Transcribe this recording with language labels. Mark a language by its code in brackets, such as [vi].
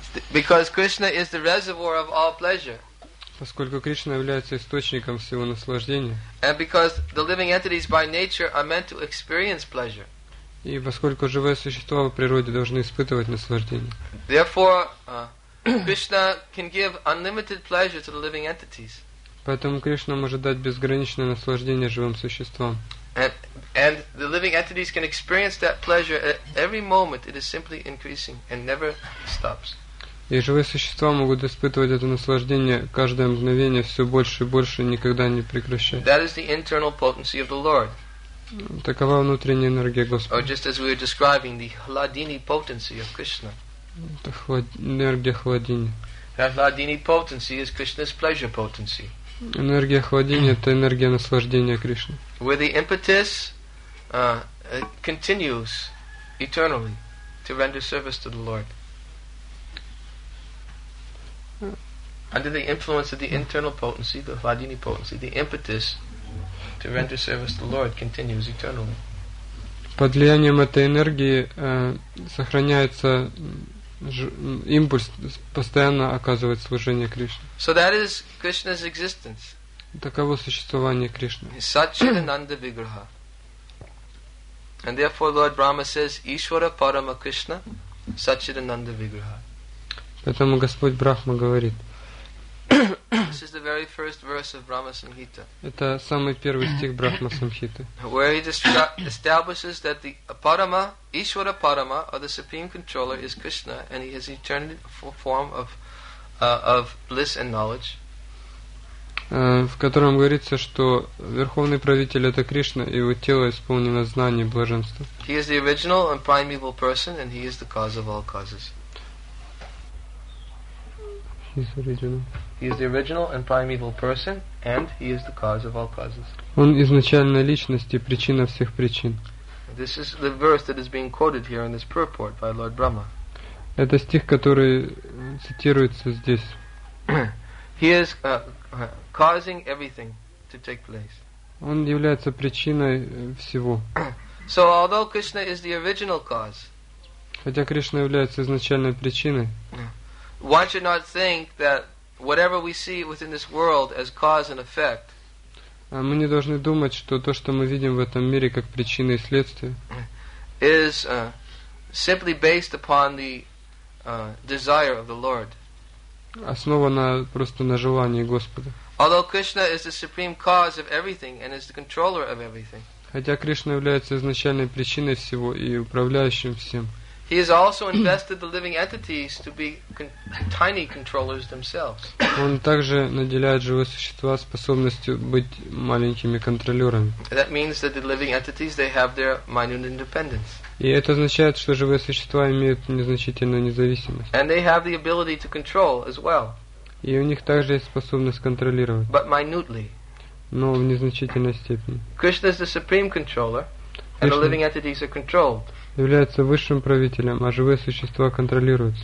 [en] Because Krishna is the reservoir of all pleasure. [ru] Поскольку Кришна является источником всего наслаждения. [en] And because the living entities by nature are meant to experience pleasure. [ru] И поскольку живые существа в природе должны испытывать наслаждение. [en] Therefore, Krishna can give unlimited pleasure to the living entities. [ru] Поэтому Кришна может дать безграничное наслаждение живым существам. [en] And the living entities can experience that pleasure at every moment. It is simply increasing and never stops. [ru] И живые существа могут испытывать это наслаждение каждое мгновение, все больше и больше, никогда не прекращая. [en] That is the internal potency of the Lord. [ru] Такова внутренняя энергия Господа. [en] Or just as we were describing, the Hladini potency of Krishna. [ru] Это энергия Хладини. [en] That Hladini potency is Krishna's pleasure potency. [ru] Энергия Хладини – это энергия наслаждения Кришны. [en] Where the impetus continues eternally to render service to the Lord. Under the influence of the internal potency, the Hladini potency, the impetus to render service to the Lord continues eternally. [ru] Под влиянием этой энергии сохраняется импульс постоянно оказывать служение Кришне. [en] So that is Krishna's existence. [ru] Таково существование Кришны. Сачидананда виграха. [en] And therefore Lord Brahma says, Ishvara Parama Krishna, Сачидананда виграха. [ru] Поэтому Господь Брахма говорит. [en] This is the very first verse of Brahma Samhita. [ru] Это самый первый стих Брахма Самхиты. [en] Where he establishes that the Parama, Ishvara Parama, or the supreme controller, is Krishna, and he has an eternal form of bliss and knowledge. [ru] В котором говорится, что верховный правитель это Кришна, и его тело исполнено знанием блаженства. [en] He is the original and primeval person, and he is the cause of all causes. He is the original and primeval person, and he is the cause of all causes. [ru] Он изначальная личность и причина всех причин. [en] This is the verse that is being quoted here in this purport by Lord Brahma. [ru] Это стих, который цитируется здесь. [en] He is causing everything to take place. [ru] Он является причиной всего. [en] So although Krishna is the original cause. [ru] Хотя Кришна является изначальной причиной. [en] One should not think that whatever we see within this world as cause and effect. [ru] Мы не должны думать, что то, что мы видим в этом мире как причины и следствия, [en] is simply based upon the desire of the Lord. [ru] Основано просто на желании Господа. [en] Although Krishna is the supreme cause of everything and is the controller of everything. [ru] Хотя Кришна является изначальной причиной всего и управляющим всем. [en] He has also invested the living entities to be tiny controllers themselves. [ru] Он также наделяет живые существа способностью быть маленькими контролёрами. [en] That means that the living entities they have their minute independence. [ru] И это означает, что живые существа имеют незначительную независимость. [en] And they have the ability to control as well. [ru] И у них также есть способность контролировать. [en] But minutely. [ru] Но в незначительной степени. [en] Krishna is the supreme controller, and the living entities are controlled. [ru] Является высшим правителем, а живые существа контролируются.